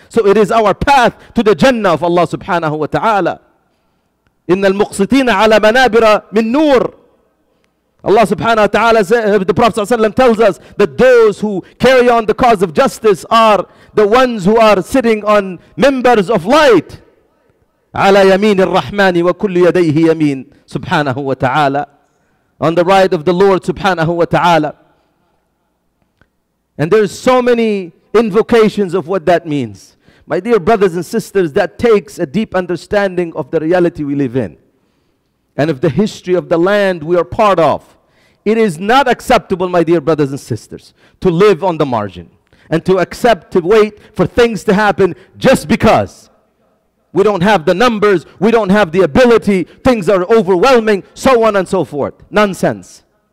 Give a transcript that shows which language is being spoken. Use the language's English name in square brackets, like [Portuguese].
[English] So it is our path to the Jannah of Allah subhanahu wa ta'ala. [Arabic] إِنَّ الْمُقْسِطِينَ عَلَى مَنَابِرَ مِنْ نُورِ [English] Allah subhanahu wa ta'ala, the Prophet sallallahu alayhi wa sallam tells us that those who carry on the cause of justice are the ones who are sitting on members of light. [Arabic] عَلَى يَمِينِ الرَّحْمَانِ وَكُلُّ يَدَيْهِ يَمِينِ subhanahu wa ta'ala. [English] On the right of the Lord subhanahu wa ta'ala. And there's so many invocations of what that means. My dear brothers and sisters, that takes a deep understanding of the reality we live in and of the history of the land we are part of. It is not acceptable, my dear brothers and sisters, to live on the margin and to accept to wait for things to happen just because we don't have the numbers, we don't have the ability, things are overwhelming, so on and so forth. Nonsense.